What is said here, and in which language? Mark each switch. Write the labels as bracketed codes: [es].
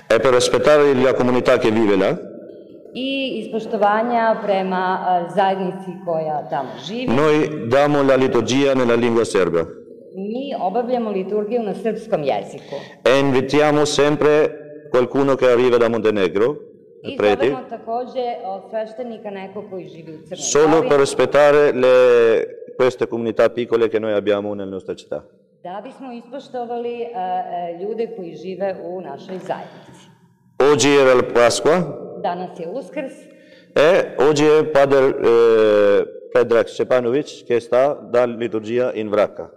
[it] E per rispettare la comunità che vive là? [sr] I ispoštovanja prema zajednici koja tamo živi. [it] Noi damo la liturgia nella lingua serba. [sr] Mi obavljamo liturgiju na srpskom jeziku. [it] E invitiamo sempre qualcuno che arriva da Montenegro. [sr] I zovemo takođe sveštenika neko koji živi u Crnoj Gori. [it] Solo per rispettare queste comunità piccole che noi abbiamo nella nostra città. [sr] Da bismo ispoštovali ljude koji žive u našoj zajednici. [it] Oggi era la Pasqua. [sr] Danas je Uskrs. [it] E oggi è Padre Predrag Šepanović che sta da liturgia in Vraka.